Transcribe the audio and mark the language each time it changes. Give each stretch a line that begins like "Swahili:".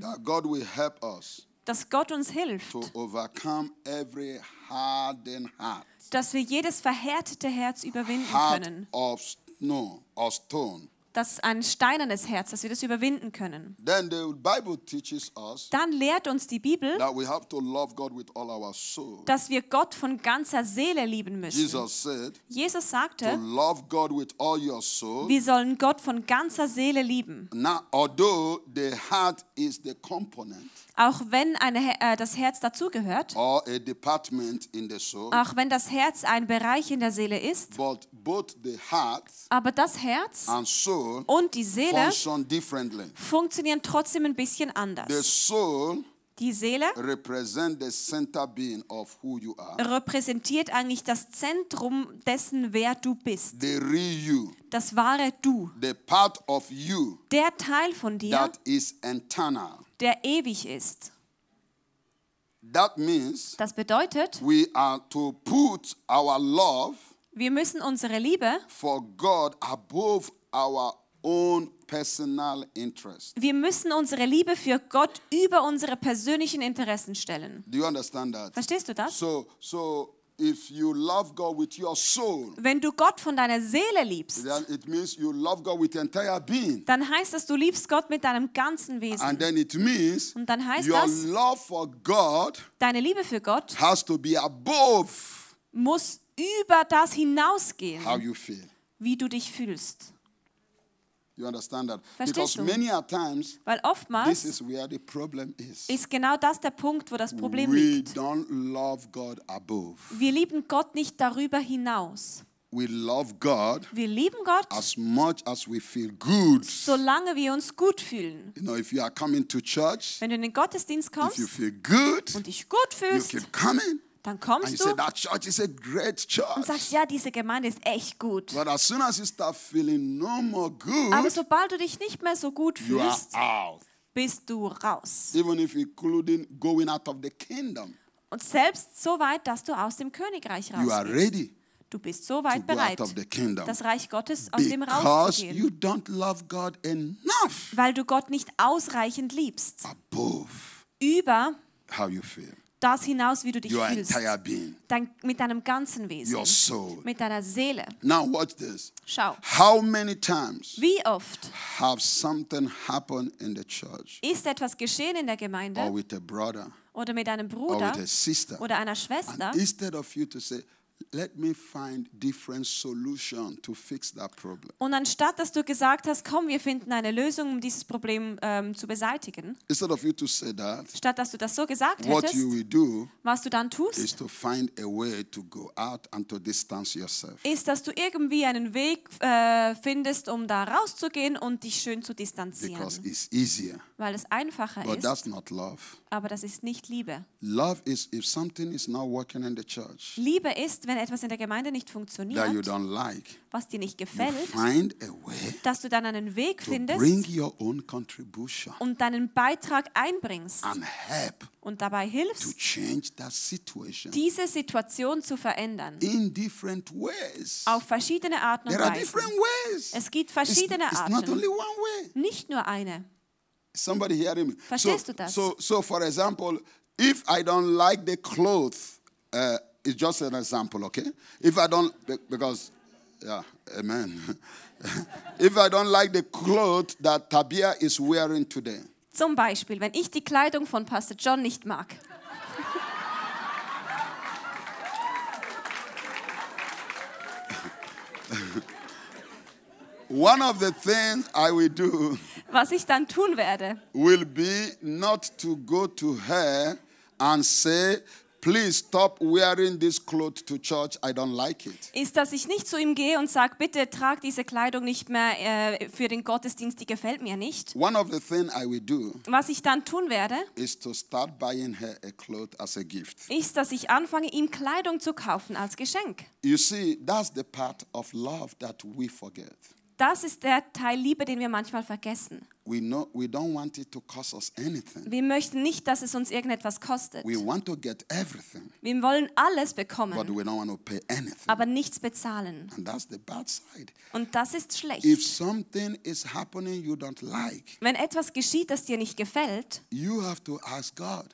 English: That God will help us.
German: Dass Gott uns hilft.
English: To overcome every hardened heart.
German: Dass wir jedes verhärtete Herz überwinden
English: heart
German: können.
English: Heart of snow or stone.
German: Dass ein steinernes Herz, dass wir das überwinden können.
English: Then the Bible teaches us,
German: dann lehrt uns die Bibel,
English: that we have to love God with all our soul.
German: Dass wir Gott von ganzer Seele lieben müssen. Jesus sagte,
English: to love God with all your soul,
German: wir sollen Gott von ganzer Seele lieben.
English: Now, although the heart is the component,
German: auch wenn das Herz dazugehört,
English: or a department in the soul,
German: auch wenn das Herz ein Bereich in der Seele ist,
English: but both the heart,
German: aber das Herz
English: and soul
German: und die Seele
English: function differently.
German: Funktionieren trotzdem ein bisschen anders.
English: The soul,
German: die Seele
English: represent the center being of who you are.
German: Repräsentiert eigentlich das Zentrum dessen, wer du bist.
English: The real you.
German: Das wahre Du.
English: The part of you,
German: der Teil von dir,
English: that is eternal.
German: Der ewig ist.
English: That means,
German: das bedeutet,
English: we are to put our love,
German: wir müssen unsere Liebe
English: for God above our own personal interest.
German: Wir müssen unsere Liebe für Gott über unsere persönlichen Interessen stellen.
English: Do you understand that?
German: Verstehst du das?
English: So if you love God with your soul,
German: wenn du Gott von deiner Seele liebst,
English: then it means you love God with entire being.
German: Dann heißt das, du liebst Gott mit deinem ganzen Wesen.
English: And then it means,
German: und dann heißt
English: your
German: das,
English: love for God,
German: deine Liebe für Gott,
English: has to be above,
German: muss über das hinausgehen,
English: how you feel,
German: wie du dich fühlst.
English: You understand that?
German: Verstehst
English: because
German: du?
English: Many a times,
German: weil oftmals,
English: this is where the problem is.
German: Ist genau das der Punkt, wo das Problem
English: we
German: liegt.
English: Don't love God above.
German: Wir lieben Gott nicht darüber hinaus.
English: We love God.
German: Wir lieben Gott.
English: As much as we feel good.
German: Solange wir uns gut fühlen.
English: You know, if you are coming to church,
German: wenn du in den Gottesdienst kommst,
English: if you feel good,
German: und dich gut fühlst,
English: you keep coming.
German: Dann kommst
English: and
German: du
English: say, that church is a great church.
German: Und sagst, ja, diese Gemeinde ist echt gut.
English: But as soon as you start feeling no more good,
German: aber sobald du dich nicht mehr so gut fühlst, bist du raus.
English: Even if including going out of the kingdom,
German: und selbst so weit, dass du aus dem Königreich raus
English: you are ready
German: bist. Du bist so weit bereit,
English: out of the kingdom,
German: das Reich Gottes aus dem rauszugehen.
English: You don't love God enough,
German: weil du Gott nicht ausreichend liebst.
English: Above
German: über
English: how you feel.
German: Das hinaus, wie du dich
English: your
German: fühlst.
English: Entire being.
German: Mit deinem ganzen Wesen.
English: Your soul.
German: Mit deiner Seele.
English: Now watch this.
German: Schau.
English: How many times,
German: wie oft,
English: have something happened in the church,
German: ist etwas geschehen in der Gemeinde,
English: or with a brother,
German: oder mit einem Bruder,
English: or with a sister,
German: oder einer Schwester,
English: instead of you to say, Let me find different solution to fix that problem.
German: Und anstatt dass du gesagt hast, komm, wir finden eine Lösung, um dieses Problem zu beseitigen.
English: Instead of you to say that.
German: Statt dass du das so gesagt
English: what
German: hättest.
English: What you will do.
German: Was du dann tust.
English: Is to find a way to go out and to distance yourself.
German: Ist, dass du irgendwie einen Weg findest, um da rauszugehen und dich schön zu distanzieren.
English: Because it's easier.
German: Weil es einfacher
English: but
German: ist.
English: But that's not love.
German: Aber das ist nicht Liebe.
English: Love is if something is not working in the church.
German: Liebe ist, wenn etwas in der Gemeinde nicht funktioniert,
English: like,
German: was dir nicht gefällt,
English: way,
German: dass du dann einen Weg findest
English: bring your own contribution
German: und deinen Beitrag einbringst
English: and help
German: und dabei hilfst,
English: to change that situation
German: diese Situation zu verändern
English: in different ways.
German: Auf verschiedene Arten
English: There
German: und Weisen.
English: Are different ways.
German: Es gibt verschiedene
English: it's
German: Arten,
English: not only one way.
German: Nicht nur eine.
English: Somebody hearing me?
German: Verstehst
English: so,
German: du das?
English: So, for example, if I don't like the clothes, it's just an example, okay? If I don't, because, yeah, amen. If I don't like the clothes that Tabia is wearing today.
German: Zum Beispiel, wenn ich die Kleidung von Pastor John nicht mag.
English: One of the things I will do.
German: Was ich dann tun werde.
English: Will be not to go to her and say, please stop wearing this clothes to church. I don't like it.
German: Ist, dass ich nicht zu ihm gehe und sage, bitte trag diese Kleidung nicht mehr für den Gottesdienst, die gefällt mir nicht.
English: One of the things I will do.
German: Was ich dann tun werde.
English: Is to start buying her a cloth as a gift.
German: Ist, dass ich anfange, ihm Kleidung zu kaufen als Geschenk.
English: You see, that's the part of love that we forget.
German: Das ist der Teil Liebe, den wir manchmal vergessen.
English: We know, we don't want it to cost us anything.
German: Wir möchten nicht, dass es uns irgendetwas kostet.
English: We want to get everything,
German: wir wollen alles bekommen,
English: but we don't want to pay anything.
German: Aber nichts bezahlen.
English: And that's the bad side.
German: Und das ist schlecht.
English: If something is happening you don't like,
German: wenn etwas geschieht, das dir nicht gefällt,
English: you have to ask God,